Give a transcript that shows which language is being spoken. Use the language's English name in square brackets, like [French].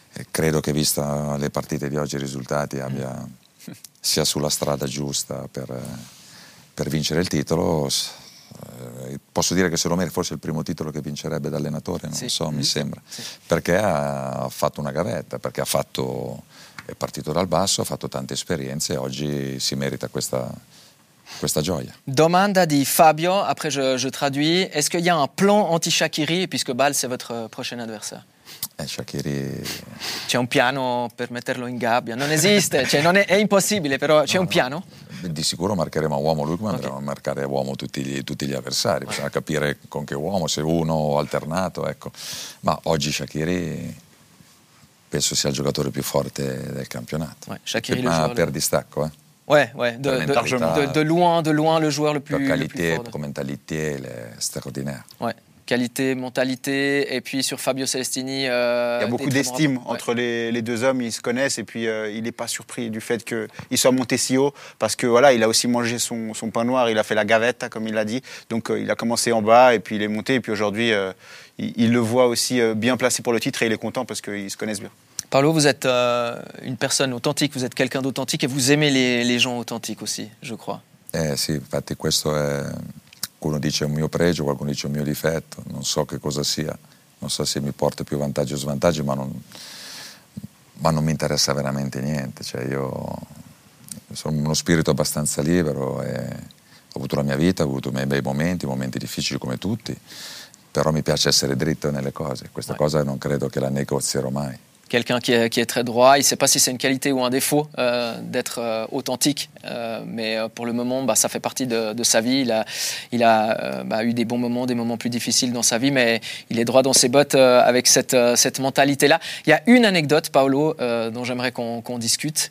[Italian] Credo che vista le partite di oggi i risultati sia sulla strada giusta per vincere il titolo. Posso dire che se lo merita, forse è il primo titolo che vincerebbe da allenatore, non so, mi sembra. Sì. Perché ha fatto una gavetta, perché è partito dal basso, ha fatto tante esperienze e oggi si merita questa gioia. Domanda di Fabio, [French] après je traduis, est-ce qu'il y a un plan anti-Shaqiri puisque Bâle c'est votre prochain adversaire? [Italian] Shaqiri... C'è un piano per metterlo in gabbia? Non esiste, cioè non è impossibile, però c'è un piano? Di sicuro marcheremo a uomo lui, come andremo a marcare a uomo tutti gli avversari. Bisogna capire con che uomo, se uno alternato, ecco. Ma oggi Shaqiri penso sia il giocatore più forte del campionato. Shaqiri ma per distacco, eh? [French] Ouais, ouais, de loin le joueur le plus fort. Qualité, mentalité, extraordinaire. Ouais, qualité, mentalité, et puis sur Fabio Celestini. Il y a beaucoup d'estime entre les deux hommes, ils se connaissent, et puis il n'est pas surpris du fait qu'il soit monté si haut, parce que voilà, il a aussi mangé son pain noir, il a fait la gavetta, comme il l'a dit. Donc il a commencé en bas, et puis il est monté, et puis aujourd'hui, il le voit aussi bien placé pour le titre, et il est content parce qu'ils se connaissent bien. Paolo, vous êtes une personne authentique, vous êtes quelqu'un d'authentique et vous aimez les gens authentiques aussi, je crois. [Italian] Sì, infatti questo è, qualcuno dice un mio pregio, qualcuno dice un mio difetto, non so che cosa sia, non so se mi porta più vantaggi o svantaggi, ma non mi interessa veramente niente, cioè io sono uno spirito abbastanza libero e ho avuto la mia vita, ho avuto i miei bei momenti, momenti difficili come tutti, però mi piace essere dritto nelle cose, questa cosa non credo che la negozierò mai. [French] Quelqu'un qui est très droit, il ne sait pas si c'est une qualité ou un défaut d'être authentique, mais pour le moment, ça fait partie de sa vie. Il a eu des bons moments, des moments plus difficiles dans sa vie, mais il est droit dans ses bottes avec cette mentalité-là. Il y a une anecdote, Paolo, dont j'aimerais qu'on discute.